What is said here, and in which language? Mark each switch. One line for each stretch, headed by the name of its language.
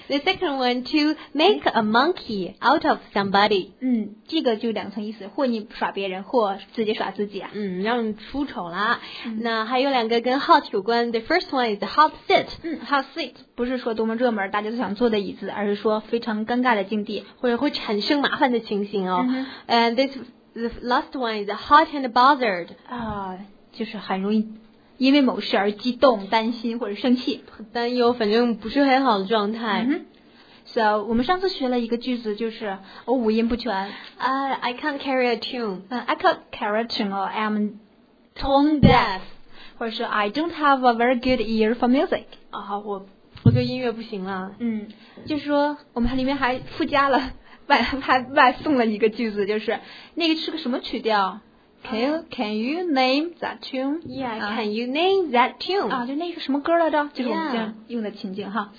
English: The second one to make a monkey out of somebody.
Chinese: 嗯，这个就两层意思，或你耍别人，或自己耍自己啊。嗯，让你出丑啦。那还有两个跟 hot 有关。
English: The first one is the hot seat.
Chinese: 嗯 ，hot seat 不是说多么热门，大家都想坐的椅子，而是说非常尴尬的境地，或者会产生麻烦的情形哦。嗯、
English: And the last one is the hot and bothered. 啊。
Chinese: 就是很容易因为某事而激动、担心或者生气、担忧，反正不是很好的状态。 So, 我们上次学了一个句子，就是我五音不全。
English: I can't carry a tune. I can't carry a tune. Or I'm tone deaf.
Chinese: 或者是
English: I don't have a very good ear for music.
Chinese: 啊，我对音乐不行了。嗯，就是说我们里面还附加了外送了一个句子，就是那个是个什么曲调？
English: Can you name that tune? Yeah, can you name that tune?
Chinese: 啊，就那是什么歌来着？就是我们这样用的情景哈。